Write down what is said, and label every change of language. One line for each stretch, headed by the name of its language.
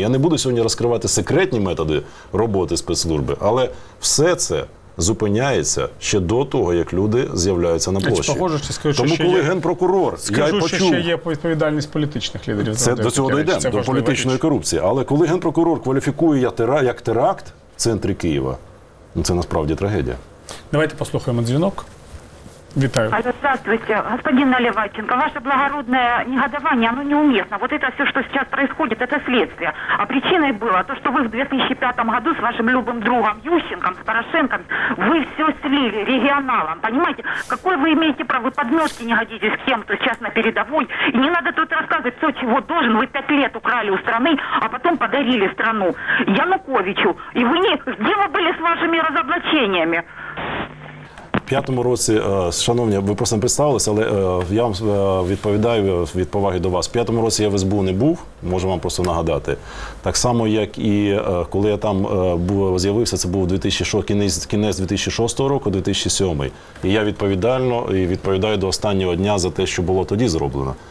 Ukrainian: Я не буду сьогодні розкривати секретні методи роботи спецслужби, але все це зупиняється ще до того, як люди з'являються на площі. Похоже, що скажу, тому що коли є генпрокурор, скажу, я й почув, що ще є відповідальність політичних лідерів. Це до цього дійдемо, до політичної річ корупції. Але коли генпрокурор кваліфікує як теракт в центрі Києва, це насправді трагедія. Давайте послухаємо дзвінок. Вітаю.
Russian: Алло, здравствуйте, господин Наливайченко, ваше благородное негодование, оно неуместно. Вот это все, что сейчас происходит, это следствие. А причиной было то, что вы в 2005 году с вашим любым другом Ющенком, с Порошенком, вы все слили регионалам. Понимаете, какой вы имеете право, вы подмётки не годитесь к тем, кто сейчас на передовой. И не надо тут рассказывать все, чего должен. Вы 5 лет украли у страны, а потом подарили страну Януковичу. И вы не... Где вы были с вашими разоблачениями?
Ukrainian: В 5-му році, шановні, ви просто не представилися, але я вам відповідаю від поваги до вас. В 5-му році я в СБУ не був, можу вам просто нагадати. Так само, як і коли я там з'явився, це був кінець 2006 року, 2007. І я відповідально і відповідаю до останнього дня за те, що було тоді зроблено.